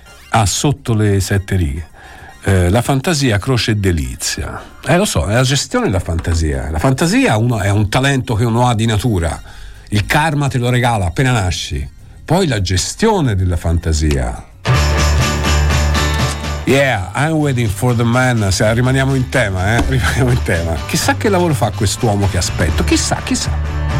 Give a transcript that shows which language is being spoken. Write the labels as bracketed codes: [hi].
[it] Ah, sotto le sette righe. La fantasia croce e delizia. Lo so, è la gestione della fantasia. La fantasia uno, è un talento che uno ha di natura. Il karma te lo regala appena nasci. Poi la gestione della fantasia. [en] Yeah, I'm waiting for the man. [it] Se rimaniamo in tema, rimaniamo in tema. Chissà che lavoro fa quest'uomo che aspetto. Chissà.